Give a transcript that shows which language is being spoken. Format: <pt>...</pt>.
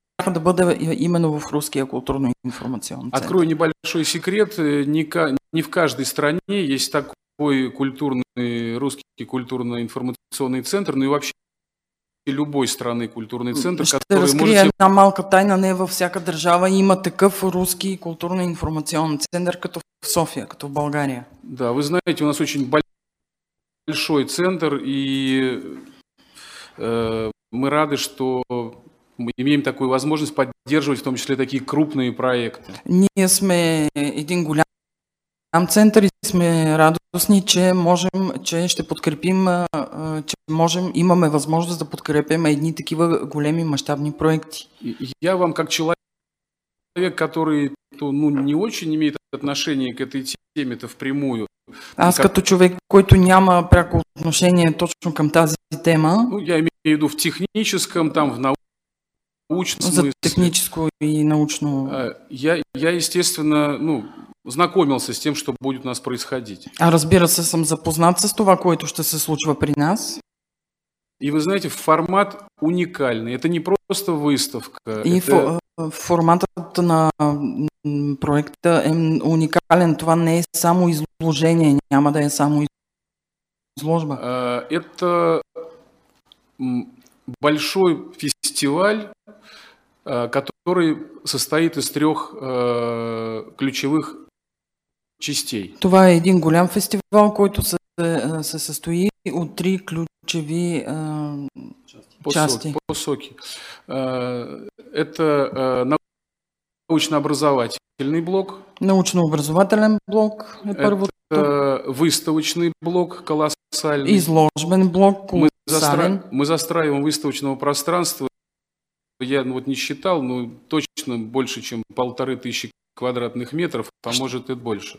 <bg>да бъде именно в Русския културно-информационен център?</bg> <ru>Открою небольшой секрет. Не в каждой стране есть такой русский культурно-информационный центр, но и вообще любой страны культурный центр.</ru> <bg>Ще разкрия една малка тайна, не във всяка държава има такъв русский културно-информационен център, като в София, като в България.</bg> <ru>Да, вы знаете, у нас очень большой центр, и мы рады, что мы имеем такую возможность поддерживать в том числе такие крупные проекты.</ru> <bg>Ние сме един голям център и сме радостни, че можем, че ще подкрепим, че можем, имаме възможност да подкрепим едни такива големи мащабни проекти.</bg> <ru>Я вам как человек, который не очень имеет отношение к этой теме-то впрямую.</ru> <bg>Аз като човек, който няма пряко отношение точно към тази тема.</bg> <ru>Ну, я имею в виду в техническом, там в научном смысле.</ru> <bg>За техническо и научно.</bg> <ru>Я естественно, знакомился с тем, что будет у нас происходить.</ru> <bg>А разбира се, съм запознат с това, което ще се случва при нас.</bg> <ru>И вы знаете, формат уникальный. Это не просто выставка. И это...</ru> <bg>форматът на проекта е уникален. Това не е само изложение, няма да е само изложба.</bg> <ru>Это большой фестиваль, который состоит из трех ключевых частей.</ru> <bg>Това е един голям фестивал, който се състои от три ключови части. По-соки.</bg> <ru>Это научно-образовательный блок.</ru> <bg>Научно-образователен блок е първото.</bg> <ru>Это выставочный блок колоссальный.</ru> <bg>Изложбен блок колоссален.</bg> <ru>Мы застраиваем выставочного пространства. Я не считал, но точно больше, чем 1500 квадратных метров, а может и больше.</ru>